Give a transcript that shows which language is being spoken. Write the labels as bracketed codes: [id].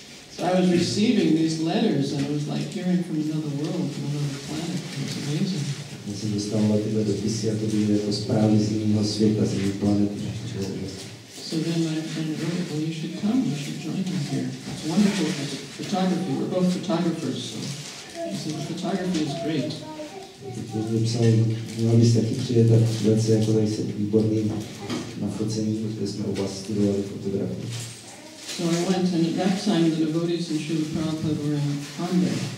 [en] So I was receiving these letters and it was like hearing from another world, from another planet. It was amazing. [cs] Já jsem dostával tyhle dopisy a to byly jako zprávy z jiného světa, z jiné planety. [en] So then my friend wrote, well, you should come, you should join me here. It's wonderful photography. We're both photographers, so he said, photography is great. [cs] To mě psal, měl bys taky přijet a přijet se jako tady se výborným na focení, protože jsme oba studovali fotografii. [en] So I went, and at that time the devotees in Srila Prabhupada were in Pandya.